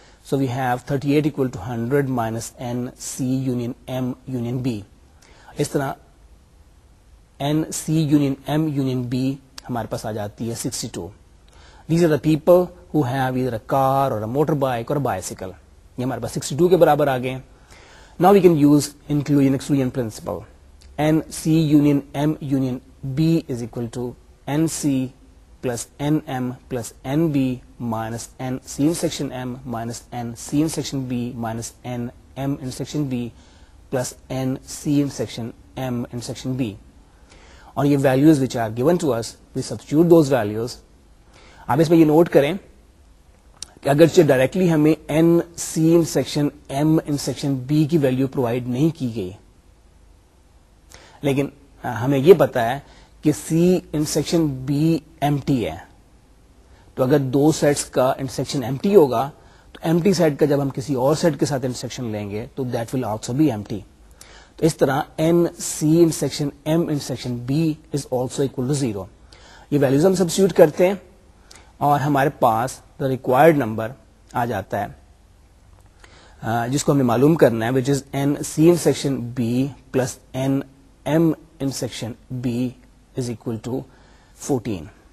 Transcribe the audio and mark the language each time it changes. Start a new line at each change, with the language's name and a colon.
English: So we have 38 equal to 100 minus n C union M union B.
Urdu: اس طرح N C union M union B ہمارے پاس آ جاتی ہے 62.
English: These are the people who have either a car اور a motor bike اور bicycle.
Urdu: یہ ہمارے پاس 62 کے برابر آ گئے.
English: Now we can use inclusion exclusion principle. N C union M union B is equal to n C plus n M plus n B minus n C intersection M minus n C intersection B minus n M intersection B plus n C intersection M intersection B.
Urdu: اور یہ
English: Values which are given to us, we substitute those values.
Urdu: اب اس میں یہ note کریں کہ اگرچہ directly ہمیں N C in section M in section B کی ویلو پرووائڈ نہیں کی گئی, لیکن ہمیں یہ پتا ہے کہ سی in section B M T ہے. تو اگر دو سیٹس کا انٹرسیکشن ایم ٹی ہوگا تو ایمٹی سیٹ کا جب ہم کسی اور سیٹ کے ساتھ انٹرسیکشن لیں گے تو
English: That will also be empty.
Urdu: تو اس طرح
English: N C intersection M intersection B is also equal to zero.
Urdu: یہ ویلوز ہم سبسٹیوٹ کرتے ہیں اور ہمارے پاس دا ریکوائرڈ نمبر آ جاتا ہے جس کو ہمیں معلوم کرنا ہے,
English: Which is n C intersection B plus n M intersection B is equal to 14.